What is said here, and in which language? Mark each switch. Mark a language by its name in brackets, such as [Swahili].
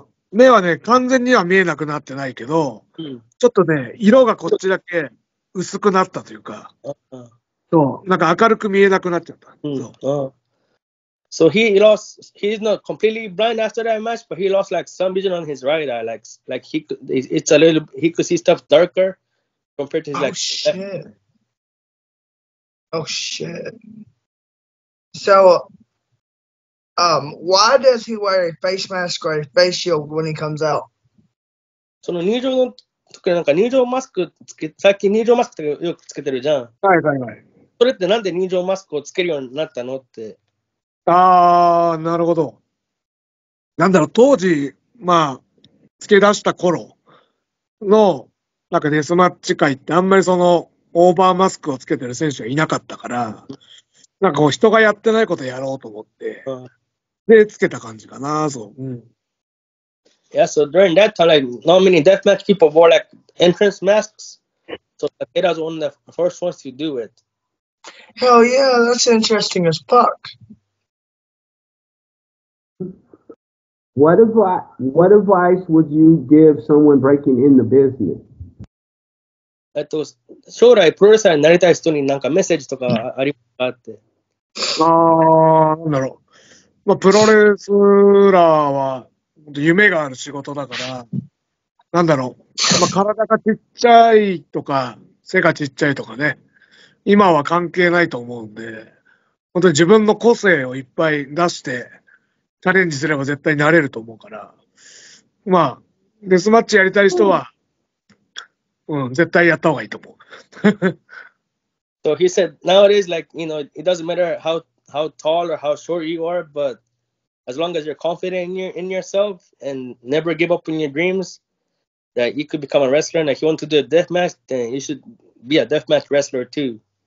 [Japanese] 目はね、完全には見えなくなってないけど、うん、ちょっとね、色がこっちだけ薄くなったというか、そう、なんか明るく見えなくなっちゃった。 [English] So he lost, he's not completely blind after that match, but he lost like some vision on his right eye, like he could, it's a little, he could see stuff darker compared to his like. Oh shit. Oh shit. So. Why does he wear a face mask or a face shield when he comes out? [Japanese] その入場の時なんか入場マスクつけ、最近入場マスクよくつけてるじゃん。はいはいはい。それってなんで入場マスクをつけるようになったのって。ああ、なるほど。なんだろう、当時、まあ、つけ出した頃の、なんかデスマッチ界ってあんまりその、オーバーマスクをつけてる選手がいなかったから、なんかこう人がやってないことやろうと思って、でつけた感じかな、そう。うん、 [English] yeah, so during that time, like, not many deathmatch people wore like entrance masks. So Takeda was one of the first ones to do it. Hell yeah, that's interesting as fuck. What advice would you give someone breaking in the business? [Japanese] 将来プロレスラーになりたい人に何かメッセージとかありますかって。なんだろう、まあ、プロレスラーは夢がある仕事だから、なんだろう、まあ、体がちっちゃいとか、背がちっちゃいとかね、今は関係ないと思うんで、本当に自分の個性をいっぱい出して、チャレンジすれば絶対なれると思うから、まあ、デスマッチやりたい人は、うん、絶対やったほうがいいと思う。 [English] So he said nowadays, like, you know, it doesn't matter how tall or how short you are, but as long as you're confident in yourself and never give up on your dreams, that you could become a wrestler and if you want to do a death match, then you should be a death match wrestler too.